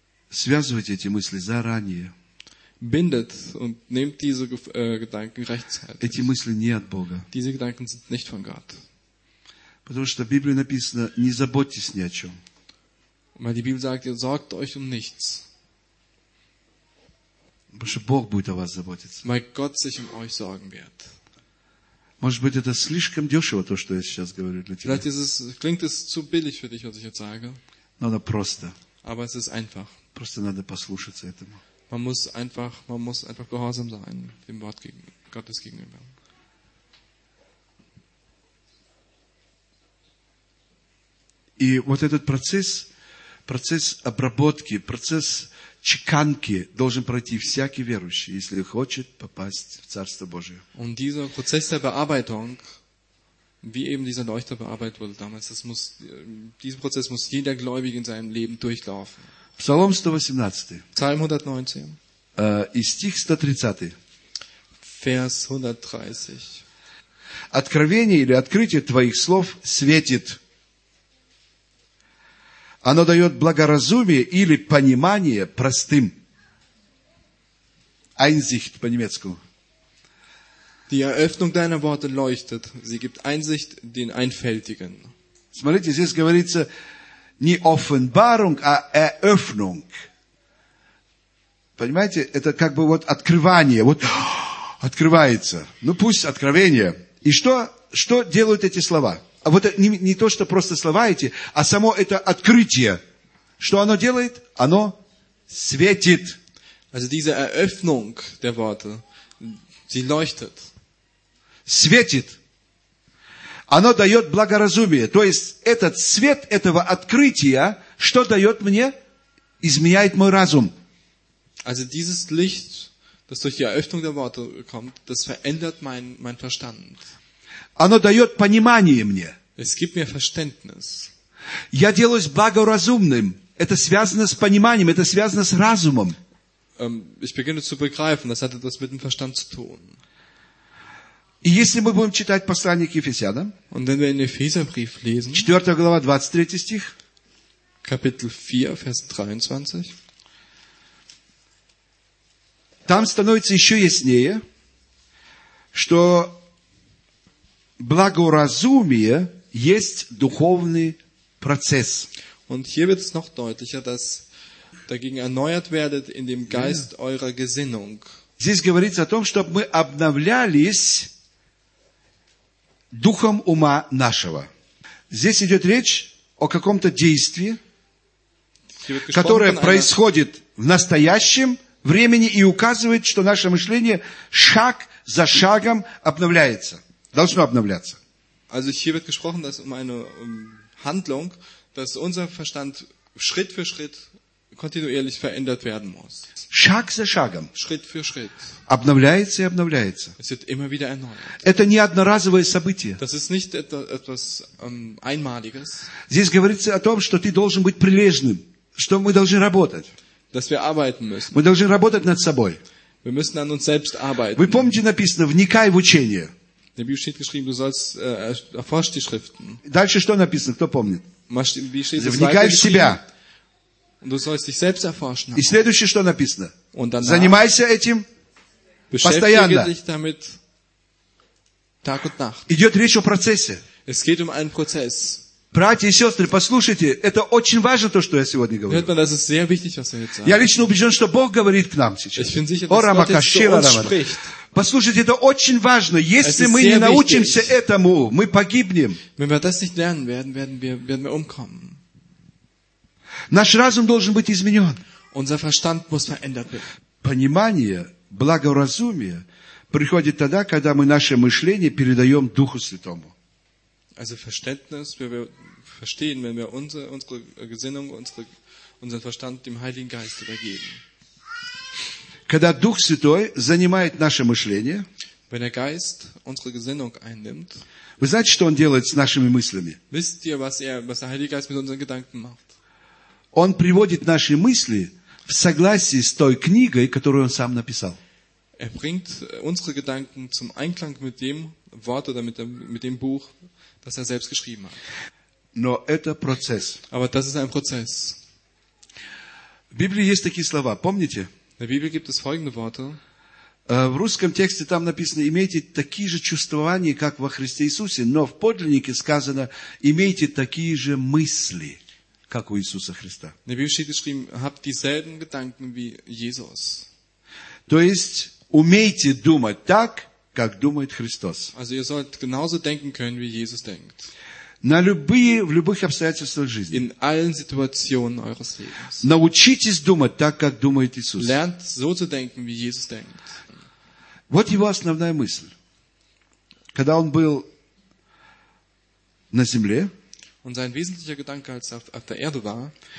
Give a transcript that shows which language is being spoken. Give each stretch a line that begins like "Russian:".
Russian: связывайте эти мысли заранее.
German: Bindet und nehmt diese Gedanken rechtzeitig.
Russian: Эти мысли не от Бога.
German: Diese Gedanken sind nicht von Gott.
Russian: Потому что в Библии написано, не заботьтесь ни о чем.
German: Weil die Bibel sagt, ihr sorgt euch um nichts.
Russian: Потому что Бог будет о вас заботиться.
German: Weil Gott sich um euch sorgen wird.
Russian: Может быть, это слишком дешево, то, что я сейчас говорю для тебя.
German: Vielleicht klingt es zu billig für dich, was ich jetzt sage.
Russian: Но это просто.
German: Aber es ist einfach.
Russian: Просто надо послушаться этому.
German: Man muss einfach gehorsam sein dem Wort Gottes gegenüber.
Russian: И вот этот процесс обработки, процесс чеканки должен пройти всякий верующий, если хочет попасть в Царство Божие.
German: Und dieser Prozess der Bearbeitung, wie eben dieser Leuchter bearbeitet wurde damals, diesen Prozess muss jeder Gläubige in seinem Leben durchlaufen.
Russian: Псалом 118.
German: Psalm 119.
Russian: И стих 130.
German: Vers 130.
Russian: Откровение или открытие твоих слов светит. Оно дает благоразумие или понимание простым. Einsicht по-немецку.
German: Die Eröffnung deiner Worte leuchtet. Sie gibt Einsicht den Einfältigen.
Russian: Смотрите, здесь говорится не Offenbarung, а Eröffnung. Понимаете, это как бы вот открывание, вот открывается. Ну пусть откровение. И что делают эти слова? А вот не то, что просто слова эти, а само это открытие. Что оно делает? Оно светит.
German: Also diese Eröffnung der Worte, sie leuchtet.
Russian: Светит. Оно дает благоразумие. То есть этот свет этого открытия, что дает мне? Изменяет мой разум.
German: Also dieses Licht, das durch die Eröffnung der Worte kommt, das verändert mein Verstand.
Russian: Оно дает понимание мне.
German: Es gibt mir Verständnis.
Russian: Я делаюсь благоразумным. Это связано с пониманием, это связано с разумом.
German: Ich beginne zu begreifen, das hat etwas mit dem Verstand zu tun.
Russian: И если мы будем читать послание к Ефесянам,
German: und wenn wir in Epheserbrief lesen,
Russian: 4 глава, 23 стих,
German: Kapitel 4, Vers 23,
Russian: там становится еще яснее, что благоразумие есть духовный процесс.
German: Und hier wird es noch deutlicher, dass dagegen erneuert werdet in dem Geist ja. eurer Gesinnung.
Russian: Здесь говорится о том, чтобы мы обновлялись духом ума нашего. Здесь идет речь о каком-то действии, которое происходит в настоящем времени и указывает, что наше мышление шаг за шагом обновляется, должно обновляться.
German: Also hier wird gesprochen, dass eine Handlung, dass unser Verstand Schritt für Schritt kontinuierlich verändert werden muss.
Russian: Шаг за шагом.
German: Schritt für Schritt.
Russian: Обновляется и обновляется.
German: Es wird immer wieder erneuert.
Russian: Это не одноразовое событие.
German: Das ist nicht etwas Einmaliges.
Russian: Здесь говорится о том, что ты должен быть прилежным, что мы должны работать.
German: Dass wir arbeiten müssen.
Russian: Мы должны работать над собой.
German: Wir müssen an uns selbst arbeiten.
Russian: Вы помните, написано, вникай в учение.
German: In der Bibel steht geschrieben, du sollst erforscht die Schriften.
Russian: Дальше что написано, кто помнит? Вникай в себя.
German: Und du sollst dich selbst erforschen.
Russian: И следующее, что написано?
German: Und danach,
Russian: занимайся этим постоянно.
German: Dich damit Tag und Nacht.
Russian: Идет речь о процессе.
German: Es geht um einen Prozess.
Russian: Братья и сестры, послушайте, это очень важно то, что я сегодня говорю.
German: Hört man, das ist sehr wichtig, was wir jetzt sagen.
Russian: Я лично убежден, что Бог говорит к нам сейчас.
German: Ich bin sicher, dass Gott jetzt zu uns spricht.
Russian: Послушайте, это очень важно. Если мы не научимся этому, мы погибнем.
German: Wenn wir das nicht lernen werden, werden wir umkommen.
Russian: Наш разум должен быть изменен.
German: Unser Verstand muss verändert werden.
Russian: Понимание, благоразумие приходит тогда, когда мы наше мышление передаем Духу Святому.
German: Also Verständnis, wenn wir verstehen, wenn wir unsere Gesinnung, unseren Verstand dem Heiligen Geist übergeben.
Russian: Когда Дух Святой занимает наше мышление,
German: wenn der Geist unsere Gesinnung einnimmt,
Russian: вы знаете, что Он делает с нашими мыслями?
German: Wisst ihr, was der Heilige Geist mit unseren Gedanken macht?
Russian: Он приводит наши мысли в согласие с той книгой, которую Он сам написал.
German: Er bringt unsere Gedanken zum Einklang mit dem Wort oder mit dem Buch, das er selbst geschrieben hat.
Russian: Но это процесс.
German: Aber das ist ein Prozess.
Russian: В Библии есть такие слова, помните?
German: In der Bibel gibt es folgende Worte.
Russian: В русском тексте там написано, имейте такие же чувствования, как во Христе Иисусе, но в подлиннике сказано, имейте такие же мысли, как у Иисуса Христа.
German: In der Bibel steht geschrieben, habt dieselben Gedanken wie Jesus.
Russian: То есть, умейте думать так, как думает Христос.
German: Also ihr sollt genauso denken können, wie Jesus denkt.
Russian: На любые, в любых обстоятельствах жизни.
German: In allen Situationen eures Lebens.
Russian: Научитесь думать так, как думает Иисус.
German: Lernt so zu denken, wie Jesus denkt.
Russian: Вот его основная мысль. Когда он был на земле,
German: und sein wesentlicher Gedanke, als er auf der Erde war,